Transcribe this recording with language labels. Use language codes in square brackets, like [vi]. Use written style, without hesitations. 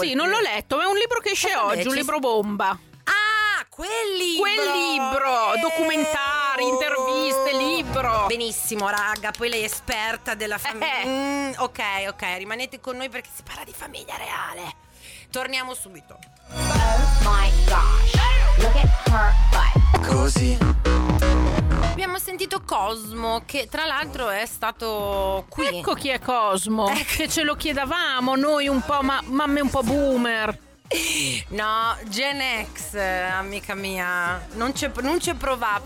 [it] sì, non l'ho letto, ma è un libro che esce oggi, un libro bomba. Ah, quel libro! Quel libro! Documentari, interviste, libro! Benissimo, raga, poi lei è esperta della famiglia. Ok, rimanete con noi perché si parla di famiglia reale. Torniamo subito. [en] Oh my gosh, look at her butt. [it] Così. Abbiamo sentito Cosmo, che tra l'altro è stato qui. Ecco chi è Cosmo, che ce lo chiedavamo noi un po', ma mamme un po' boomer. No, Gen X, amica mia, non c'è provato.